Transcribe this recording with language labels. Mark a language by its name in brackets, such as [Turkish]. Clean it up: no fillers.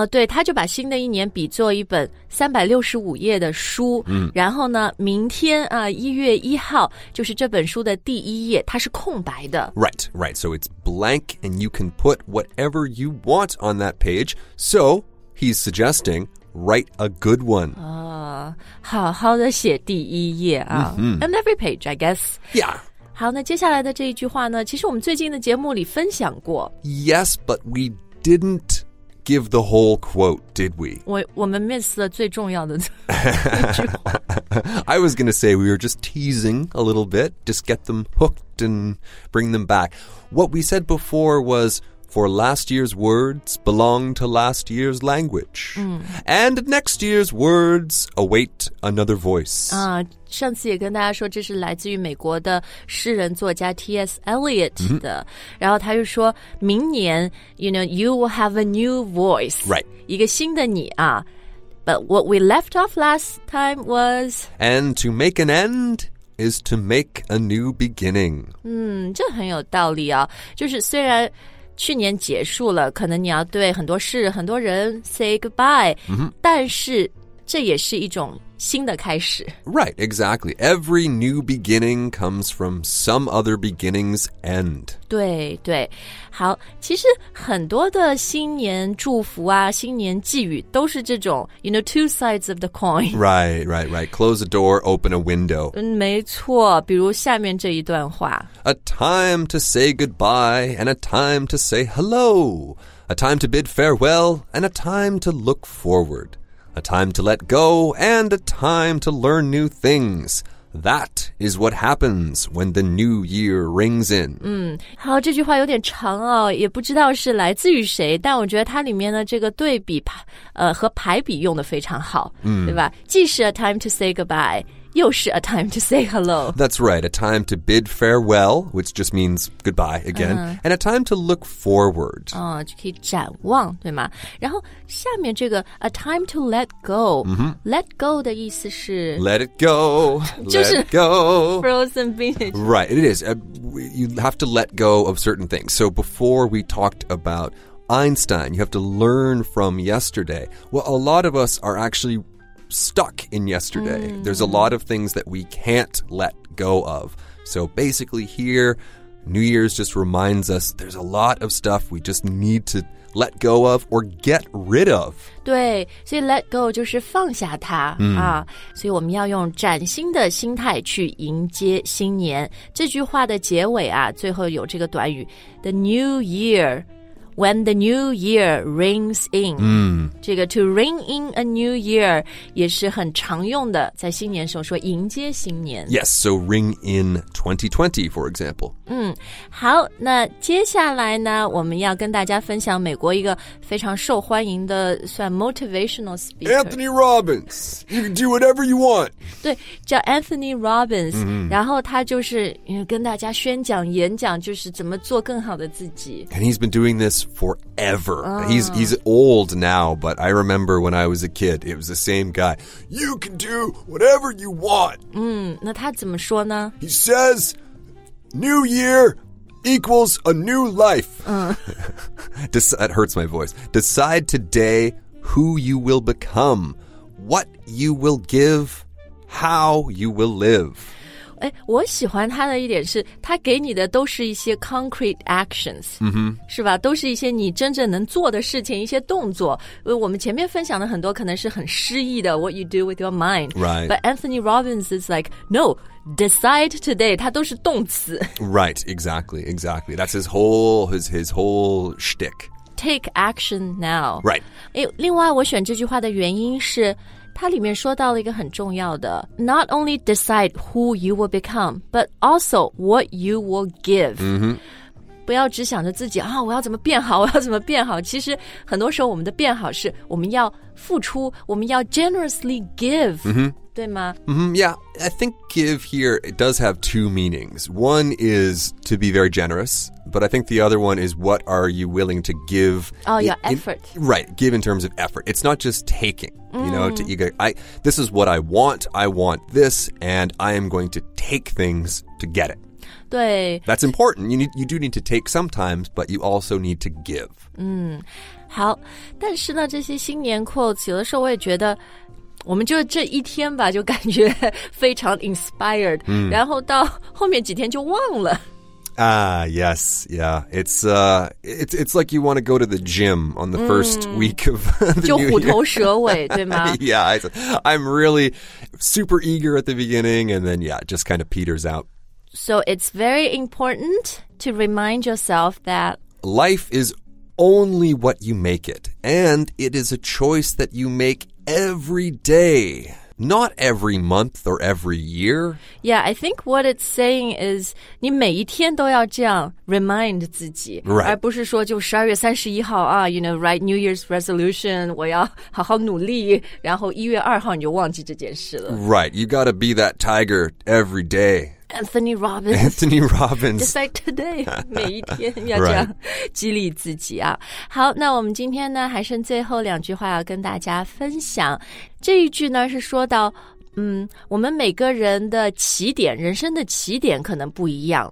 [Chinese] 对，他就把新的一年比作一本365页的书，然后呢，明天啊，1月1号，就是这本书的第一页，它是空白的。 [English] Right, right. So it's blank, and you can put whatever you want on that page. So he's suggesting... Write a good one. How how to [Chinese] 写第一页啊 [English] And every page, I guess. Yeah. [Chinese] 好，那接下来的这一句话呢，其实我们最近的节目里分享过。 [English] Yes, but we didn't give the whole quote, did we? [Chinese] 我们 miss 了最重要的这句话。 [English] I was going to say we were just teasing a little bit, just get them hooked and bring them back. What we said before was. For last year's words belong to last year's language. And next year's words await another voice. [Chinese] 上次也跟大家说这是来自于美国的诗人作家 T.S. Eliot 的。然后他就说明年 [English] you know, you will have a new voice. Right. [Chinese] 一个新的你啊。 [English] But what we left off last time was... And to make an end is to make a new beginning. [Chinese] 这很有道理啊。就是虽然去年结束了，可能你要对很多事、很多人 [English] say goodbye,、 mm-hmm. [Chinese] 但是这也是一种新的开始。 [English] Right, exactly. Every new beginning comes from some other beginning's end. [Chinese] 对对，好，其实很多的新年祝福啊，新年寄语都是这种 ， [English] you know, two sides of the coin. Right, right, right. Close a door, open a window. [Chinese] 没错，比如下面这一段话。 [English] A time to say goodbye and a time to say hello. A time to bid farewell and a time to look forward. A time to let go and a time to learn new things. That is what happens when the new year rings in. [Chinese] 好，这句话有点长哦，也不知道是来自于谁，但我觉得它里面的这个对比和排比用得非常好，对吧？既是 [English] a time to say goodbye, [Chinese] 又是 [English] a time to say hello. That's right, a time to bid farewell, which just means goodbye again,、uh-huh. and a time to look forward. [Chinese] 就可以展望，对吗？然后下面这个 [English] a time to let go,、 mm-hmm. [Chinese] let go 的意思是 [English] let it go, let it go. Frozen vintage. Right, it is. You have to let go of certain things. So before we talked about Einstein, you have to learn from yesterday. Well, a lot of us are actually... stuck in yesterday. There's a lot of things that we can't let go of. So basically here, New Year's just reminds us there's a lot of stuff we just need to let go of or get rid of. [Chinese] 对，所以 [English] let go [Chinese] 就是放下它、啊、所以我们要用崭新的心态去迎接新年。这句话的结尾啊，最后有这个短语 [English] The New Year,When the new year rings in,、 [Chinese] 这个 [English] to ring in a new year [Chinese] 也是很常用的，在新年时候说迎接新年。 [English] Yes, so ring in 2020, for example. [Chinese] 好，那接下来呢，我们要跟大家分享美国一个非常受欢迎的算 motivational speaker. [English] Anthony Robbins, you can do whatever you want. [Chinese] 对，叫 Anthony Robbins,、然后他就是跟大家宣讲演讲，就是怎么做更好的自己。 [English] And he's been doing thisForever. He's old now, but I remember when I was a kid, it was the same guy. You can do whatever you want. [Chinese] 那他怎么说呢? [English] He says, New year equals a new life. that hurts my voice. Decide today who you will become, what you will give, how you will live. [Chinese] 我喜欢他的一点是他给你的都是一些 [English] concrete actions、 [Chinese] 是吧都是一些你真正能做的事情一些动作我们前面分享的很多可能是很诗意的 [English] what you do with your mind、 right. but Anthony Robbins is like no decide today [Chinese] 他都是动词 [English] right exactly exactly that's his whole shtick take action now right [Chinese] 另外我选这句话的原因是它里面说到了一个很重要的 [English] Not only decide who you will become But also what you will give、 [Chinese] 不要只想着自己、我要怎么变好我要怎么变好其实很多时候我们的变好是我们要付出我们要 [English] generously give、 [Chinese] 对吗、 [English] Yeah, I think give here it does have two meanings One is to be very generous But I think the other one is what are you willing to give your effort Right, give in terms of effort It's not just takingYou know, to ego, this is what I want this, and I am going to take things to get it. [Chinese] 对 [English] That's important. You do need to take sometimes, but you also need to give. [Chinese] 好，但是呢，这些新年 quotes, 有的时候我也觉得，我们就这一天吧，就感觉非常 inspired, 然后到后面几天就忘了。 [English] Yes, yeah. It's like you want to go to the gym on the first week of the new year. [Chinese] 就虎头蛇尾，对吗？ [English] Yeah, I'm really super eager at the beginning, and then, yeah, just kind of peters out. So it's very important to remind yourself that... Life is only what you make it, and it is a choice that you make every day, not every month or every year. Yeah, I think what it's saying is [Chinese] 你每一天都要这样 [English] remind [Chinese] 自己、 [English] right. [Chinese] 而不是说就12月31号啊 [English] you know, write New Year's resolution, [Chinese] 我要好好努力然后1月2号你就忘记这件事了。 [English] Right, you gotta be that tiger every day. Anthony Robbins. Anthony Robbins. Just like today. [Chinese] 每一天要这样激励自己啊。 [English] Right. [Chinese] 好，那我们今天呢还剩最后两句话要跟大家分享。这一句呢是说到我们每个人的起点，人生的起点可能不一样，